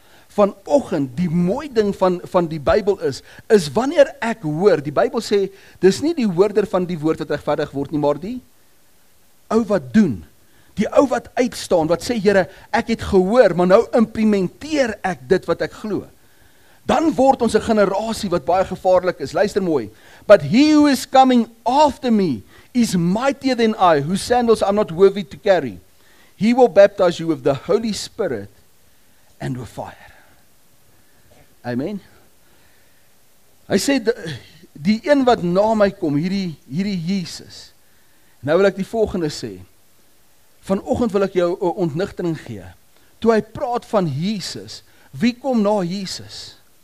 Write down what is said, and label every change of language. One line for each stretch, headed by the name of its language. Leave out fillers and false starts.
Afrikaans: Vanoggend, die mooi ding van die Bybel is wanneer ek hoor, die Bybel sê, dis nie die hoorder van die woord wat regverdig word nie, maar die ou wat doen, die ou wat uitstaan, wat sê, Here, ek het gehoor, maar nou implementeer ek dit wat ek glo. Dan word ons 'n generasie wat baie gevaarlik is. Luister mooi.
English: But he who is coming after me is mightier than I, whose sandals I'm not worthy to carry. He will baptize you with the Holy Spirit and with fire. Amen.
Afrikaans: Hy sê, die een wat na my kom, hierdie Jesus. Nou wil ek die volgende sê. Vanoggend wil ek jou 'n ontnigtering gee. Toe hy praat van Jesus, wie kom na Jesus?